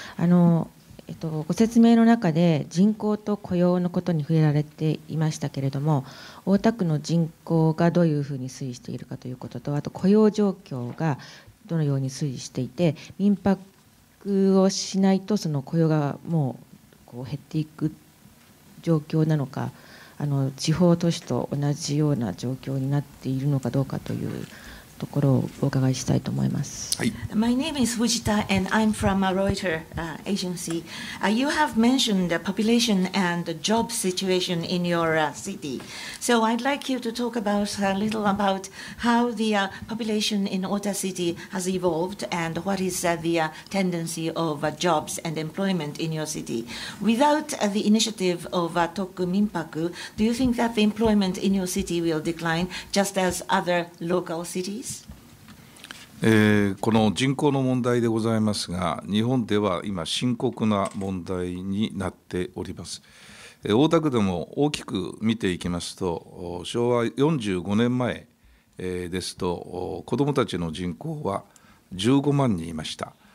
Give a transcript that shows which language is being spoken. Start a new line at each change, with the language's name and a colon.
Japanese: ご説明の中で人口と雇用のことに触れられていましたけれども、大田区の人口がどういうふうに推移しているかということと、あと雇用状況がどのように推移していて、民泊をしないとその雇用がもうこう減っていく状況なのか、地方都市と同じような状況になっているのかどうかというところをお伺いしたいと思います。はい。
English: My name is Fujita and I'm from a Reuters agency. You have mentioned the population and the job situation in your city. So I'd like you to talk about a little about how the population in Ota City has evolved and what is the tendency of jobs and employment in your city. Without the initiative of Tokuminpaku, do you think that the employment in your city will decline just as other local cities?
Japanese: この人口の問題でございますが、日本では今深刻な問題になっております。大田区でも大きく見ていきますと、昭和45年前ですと子どもたちの人口は15万人いました。